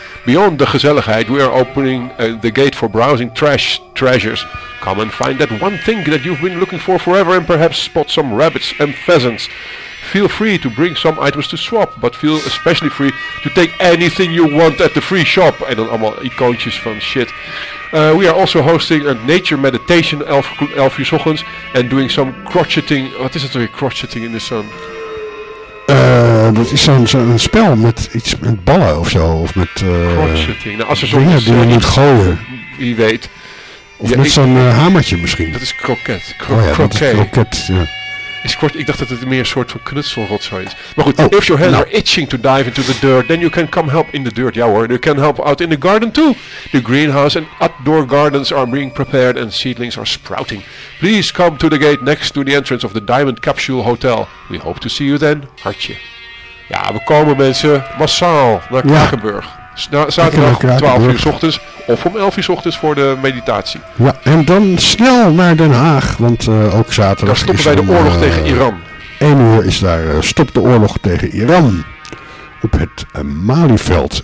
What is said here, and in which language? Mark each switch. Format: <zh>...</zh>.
<en>Beyond the gezelligheid, we are opening the gate for browsing trash treasures. Come and find that one thing that you've been looking for forever and perhaps spot some rabbits and pheasants. Feel free to bring some items to swap, but feel especially free to take anything you want at the free shop.</en> <nl>En dan allemaal icoontjes van shit.</nl> <en>We are also hosting a nature meditation</en> <nl>11 uur 's ochtends</nl> <en>and doing some crocheting.</en> <nl>Wat is dat weer,</nl> <en>crocheting in the sun?</en> <nl>Dat is zo'n spel met iets met ballen of zo. Of met crocheting. Nou, als er dingen zo'n die je niet gooien. Wie weet. Of ja, met zo'n hamertje misschien. Dat is kroket. Kroket, ja. Ik dacht dat het meer een soort van knutselrotzooi is. Maar goed,</nl> <en>if your hands are itching to dive into the dirt, then you can come help in the dirt.</en> <nl>Ja hoor,</nl> <en>you can help out in the garden too. The greenhouse and outdoor gardens are being prepared and seedlings are sprouting. Please come to the gate next to the entrance of the Diamond Capsule Hotel. We hope to see you then, hartje.</en> <nl>Ja, we komen mensen massaal naar Krakenburg. Zaterdag om 12 uur 's ochtends of om 11 uur 's ochtends voor de meditatie. Ja, en dan snel naar Den Haag, want ook zaterdag. Daar stoppen wij de oorlog tegen Iran. 1 uur is daar stop de oorlog tegen Iran op het Malieveld.</nl>